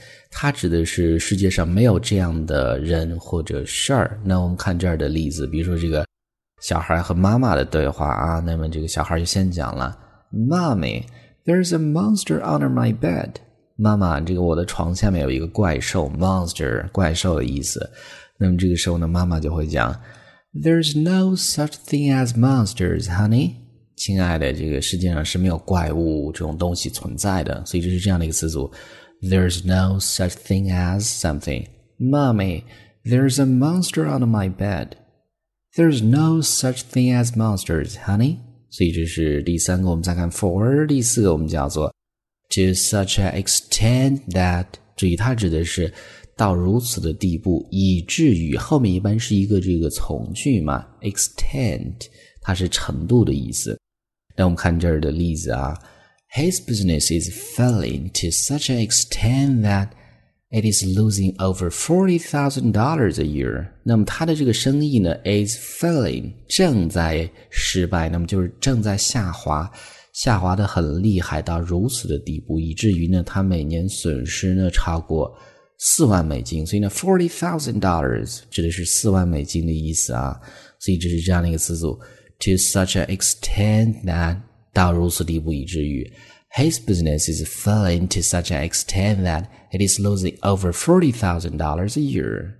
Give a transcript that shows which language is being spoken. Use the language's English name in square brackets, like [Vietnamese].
[Chinese] 它指的是世界上没有这样的人或者事儿。那我们看这儿的例子，比如说这个小孩和妈妈的对话啊，那么这个小孩就先讲了 ， [English] Mommy, there's a monster under my bed。 [Chinese] 妈妈，这个我的床下面有一个怪兽 ，monster， 怪兽的意思。那么这个时候呢，妈妈就会讲 ， [English] There's no such thing as monsters, honey。 [Chinese] 亲爱的，这个世界上是没有怪物这种东西存在的。所以这是这样的一个词组 ，There's no such thing as something。 [English] Mommy, there's a monster on my bed。 There's no such thing as monsters, honey。 [Chinese] 所以这是第三个，我们再看 for 第四个，我们叫做。 To such an extent that, 注意它指的是到如此的地步，以至于后面一般是一个这个从句嘛 ,extent, 它是程度的意思。那我们看这儿的例子啊 [English] ,his business is failing to such an extent that it is losing over $40,000 a year. [Chinese] 那么他的这个生意呢 ,is failing, 正在失败，那么就是正在下滑。下滑得很厉害，到如此的地步，以至于呢，他每年损失呢超过$40,000，所以呢，$40,000指的是$40,000的意思啊，所以这是这样的一个词组 ，to such an extent that 到如此地步以至于 ， [English] his business is failing to such an extent that it is losing over $40,000 a year。